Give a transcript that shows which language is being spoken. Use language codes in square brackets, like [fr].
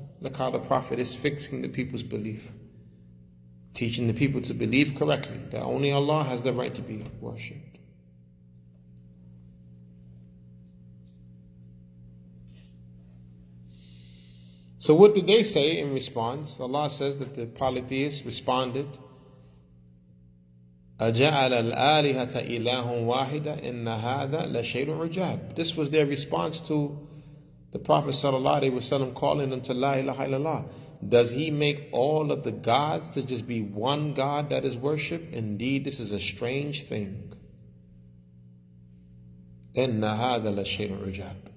[en] Look how the Prophet is fixing the people's belief. Teaching the people to believe correctly that only Allah has the right to be worshipped. So what did they say in response? Allah says that the polytheists responded, [ar] أَجَعَلَ الْآلِهَةَ إِلَهٌ وَاحِدًا إِنَّ هَذَا لَشَيْءٌ عُجَابٌ. [en] This was their response to the Prophet sallallahu alaihi wasallam calling them to La ilaha illallah. Does he make all of the gods to just be one God that is worshipped? Indeed, this is a strange thing. [ar] إِنَّ هَذَا لَشَيْءٌ عُجَابٌ.